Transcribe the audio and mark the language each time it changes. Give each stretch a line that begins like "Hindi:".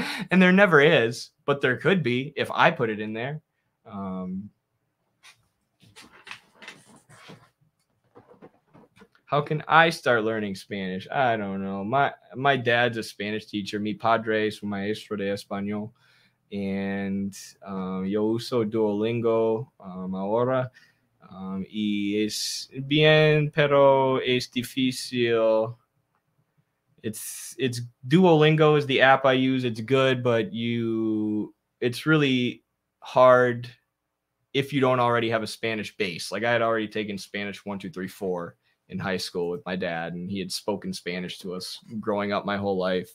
English: And there never is, but there could be if I put it in there. How can I start learning Spanish? I don't know. My dad's a Spanish teacher.
Spanish: Mi padre es un maestro de español. And yo uso Duolingo ahora. Y es bien, pero es difícil.
English: It's Duolingo is the app I use. It's good, but it's really hard if you don't already have a Spanish base. Like I had already taken Spanish 1, 2, 3, 4. In high school with my dad, and he had spoken Spanish to us growing up my whole life.